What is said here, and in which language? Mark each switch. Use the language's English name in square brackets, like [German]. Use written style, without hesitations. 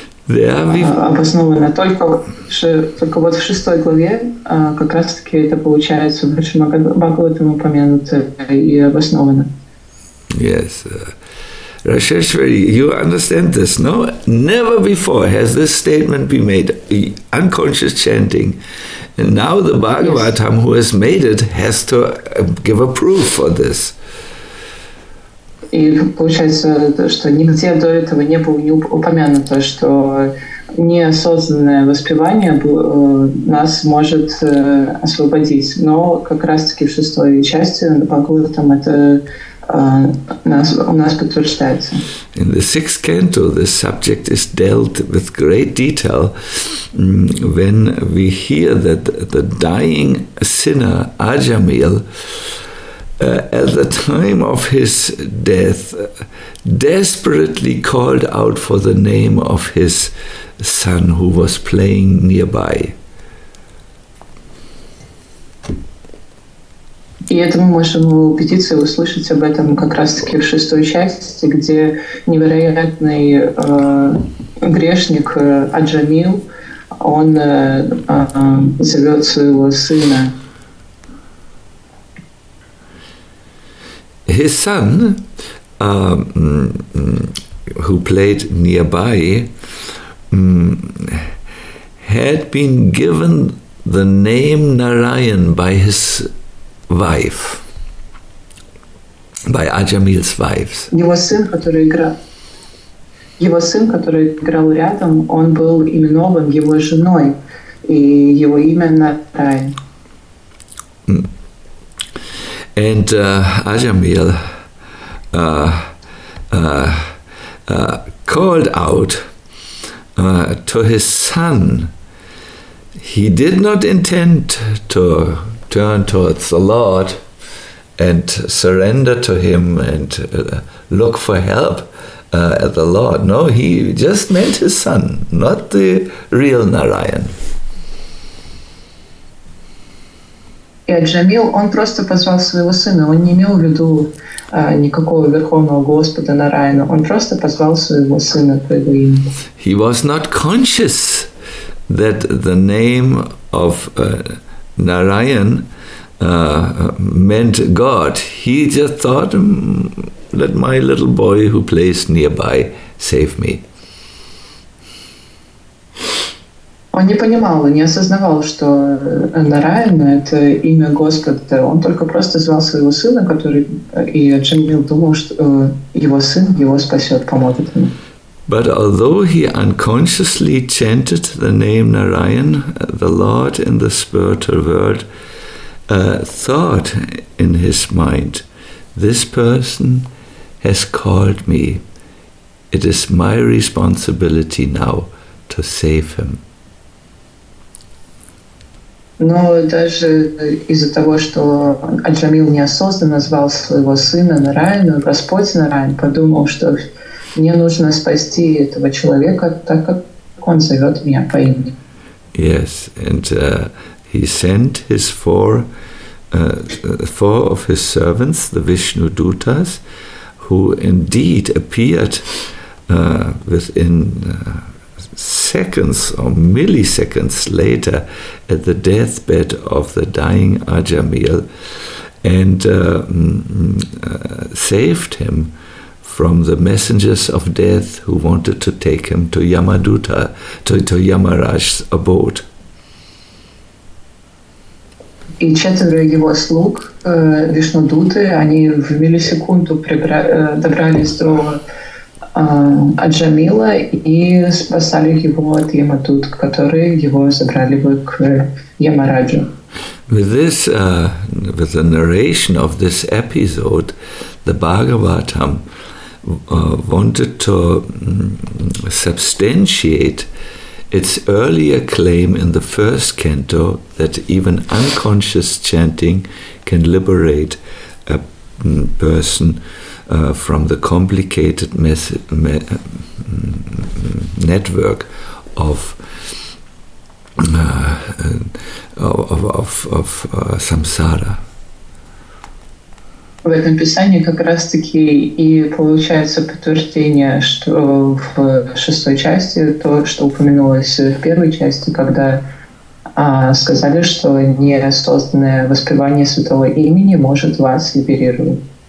[Russian] Обоснованно. Только вот в шестой главе как раз-таки это получается в Шримад Бхагаватам упомянуто и обоснованно. [English] Yes. Rasheshwari, you understand this, no? Never before has this statement been made, unconscious chanting. And now the Bhagavatam, yes, who has made it, has to give a proof for this. [Russian] И получается, что нигде до этого не было упомянуто, что неосознанное воспевание нас может освободить. Но как раз-таки в шестой части Бхагаватам это у нас подтверждается. [English] In the sixth canto, the subject is dealt with great detail when we hear that the dying sinner, Ajamil, at the time of his death, desperately called out for the name of his son who was playing nearby. [Russian] И это мы можем убедиться и услышать об этом как раз-таки в шестой части, где невероятный грешник Аджамил, он зовет своего сына. [English] His son, who played nearby, had been given the name Narayan by his wife, by Ajamil's wife. [Russian] Его сын, который играл, Его сын, который играл рядом, он был именован его женой, и его имя Натай. [English] And Ajamil called out to his son. He did not intend to turn towards the Lord and surrender to him and look for help at the Lord. No, he just meant his son, not the real Narayan. [Russian] И Аджамил, он просто позвал своего сына. Он не имел в виду никакого Верховного Господа Нараяна. Он просто позвал своего сына по его имени. [English] He was not conscious that the name of Narayan meant God. He just thought, let my little boy who plays nearby save me. [Russian] Он не понимал, не осознавал, что Нараяна — это имя Господа. Он только просто звал своего сына, который и Джамил думал, что его сын его спасет, поможет ему. [English] But although he unconsciously chanted the name Narayan, the Lord in the spiritual world thought in his mind, this person has called me. It is my responsibility now to save him. [Russian] Но даже из-за того, что Аджамил неосознанно звал своего сына Нараяну, Господь Нараян подумал, что мне нужно спасти этого человека, так как он зовет меня по имени. [English] Yes, and he sent his four of his servants, the Vishnu Dutas, who indeed appeared within seconds or milliseconds later at the deathbed of the dying Ajamil and saved him from the messengers of death who wanted to take him to Yamaduta, to Yamaraj's abode. [Russian] И четверо его слуг, Вишнудуты, они в миллисекунду добрались до Аджамила и спасали его от Яматут, которые его забрали бы к Ямараджу. [English] With this, with the narration of this episode, the Bhagavatam wanted to substantiate its earlier claim in the first canto that even unconscious chanting can liberate a person from the complicated network of samsara. [Russian] В этом писании как раз-таки и получается подтверждение, что в шестой части, то, что упомянулось в первой части, когда сказали, что неосознанное воспевание святого имени может вас либерировать.